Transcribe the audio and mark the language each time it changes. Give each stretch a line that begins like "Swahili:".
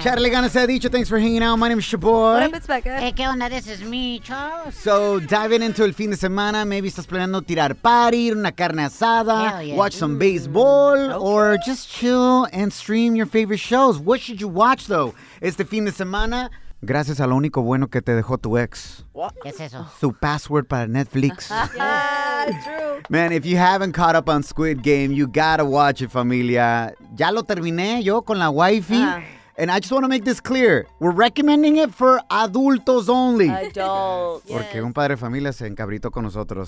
English: Charlie Ganesadicho, thanks for hanging out. My name is Shaboy. What up, it's Becca. Hey,
Spanish: ¿qué onda?
English: This is me, Charles. So, diving into
Spanish: el fin de semana,
English: maybe
Spanish: estás planeando tirar party, una carne asada,
English: yeah. Watch some baseball, okay. Or just chill and stream your favorite shows. What should you watch, though,
Spanish: este fin de semana? Gracias a lo único bueno que te dejó tu ex.
English: What?
Spanish: ¿Qué es eso? Su password para Netflix.
English: True. Man, if you haven't caught up on Squid Game, you gotta watch it, familia.
Spanish: Ya lo terminé yo con la wifey.
English: And I just want to make this clear. We're recommending it for adultos only. Adults. Yes.
Spanish: Porque un padre de familia se encabritó con nosotros.